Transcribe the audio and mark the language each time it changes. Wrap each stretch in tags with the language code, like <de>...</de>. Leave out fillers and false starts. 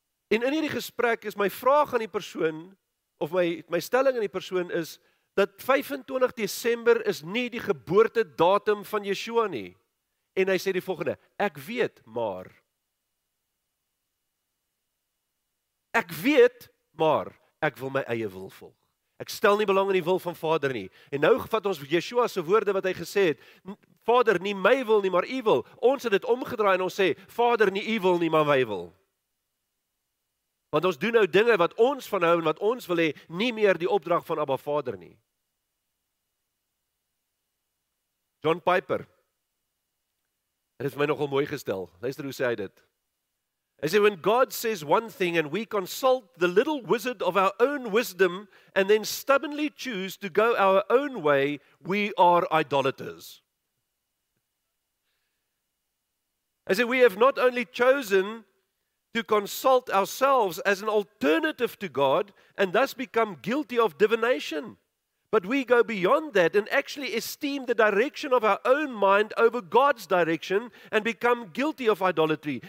<af>En in hierdie gesprek is my vraag aan die persoon, of my stelling aan die persoon is, dat 25 Desember is nie die geboortedatum van Yeshua nie. En hy sê die volgende, ek weet, maar. Ek weet, maar ek wil my eie wil volg. Ek stel nie belang in die wil van Vader nie. En nou vat ons Yeshua se woorde wat hy gesê het, Vader, nie my wil nie, maar u wil. Ons het dit omgedraai en ons sê, Vader, nie u wil nie, maar my wil. Want ons doen nou dinge wat ons vanhou en wat ons wil hê, nie meer die opdrag van Abba Vader nie. John Piper. Het is my nogal mooi gestel. Luister hoe sê hy dit. Hy sê,</af> <en>when God says one thing and we consult the little wizard of our own wisdom and then stubbornly choose to go our own way, we are idolaters.</en> <af>Hy sê,</af> <en>we have not only chosen to consult ourselves as an alternative to God and thus become guilty of divination, but we go beyond that and actually esteem the direction of our own mind over God's direction and become guilty of idolatry.</en>